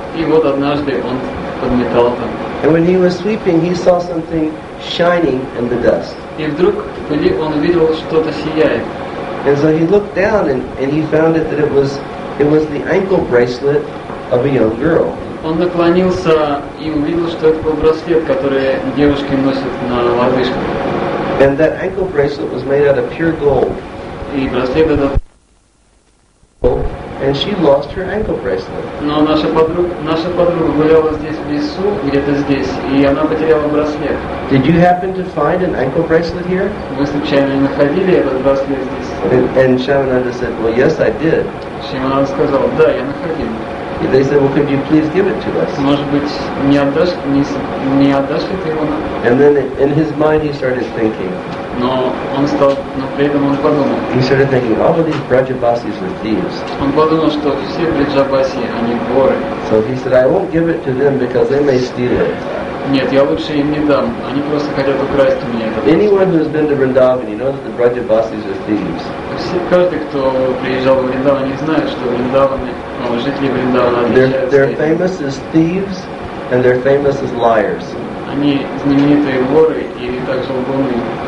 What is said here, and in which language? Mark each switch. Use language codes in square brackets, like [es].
[ru] И вот однажды он подметал там. [en] And when he was sweeping, he saw something shining in the dust. [ru] И вдруг он увидел что-то сияет. [en] And so he looked down and he found it that it was the ankle bracelet of a young girl. [ru] Он наклонился и увидел, что это был браслет, который девушки носят на лодыжках. [en] And that ankle bracelet was made out of pure gold. [ru] И браслет этот. [en] And she lost her ankle bracelet. [ru] Но наша подруга гуляла здесь в лесу, где-то здесь, и она потеряла браслет. [en] Did you happen to find an ankle bracelet here? [ru] Вы случайно находили этот браслет здесь? [en] And Shyamananda said, well, yes, I did. [ru] Shyamananda сказал, да, я находил. [en] And they said, well, could you please give it to us? [ru] Может быть, не отдашь ли ты его нам? [en] And then in his mind he started thinking. He started thinking, all of these Brajabasis are thieves. So he said, I won't give it to them because they may steal it. [ru] Нет, я лучше им не дам. Они просто хотят украсть у меня. [en] Anyone who has been to Vrindavan, you know that the Brajabasis are thieves. [ru] Каждый, кто приезжал в Вриндаван, они знают, что Вриндаваны, жители Вриндавана, [en] they're famous as thieves and they're famous as liars. [ru] Они знаменитые воры и также лгуны.